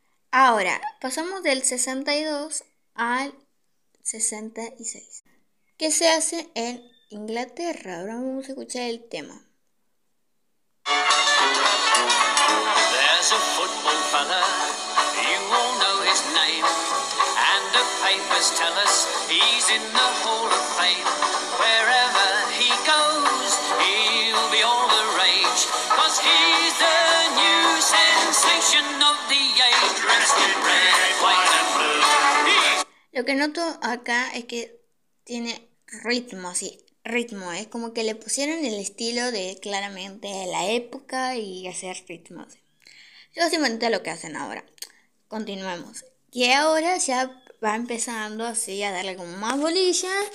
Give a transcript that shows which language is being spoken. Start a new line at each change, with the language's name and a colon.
Spanish: Ahora, pasamos del 62 al 66. ¿Qué se hace en Inglaterra? Ahora vamos a escuchar el tema.
English: There's a football fella, you all know his name, and the papers tell us he's in the Hall of Fame. Wherever he goes, he'll be all the rage, 'cause he's the new sensation of the age. Dressed in red, white and blue.
Spanish: Lo que noto acá es que tiene ritmo, sí. Ritmo, es como que le pusieron el estilo de claramente la época y hacer ritmos. Yo simplemente lo que hacen ahora. Continuemos. Y ahora ya va empezando así a darle como más bolilla.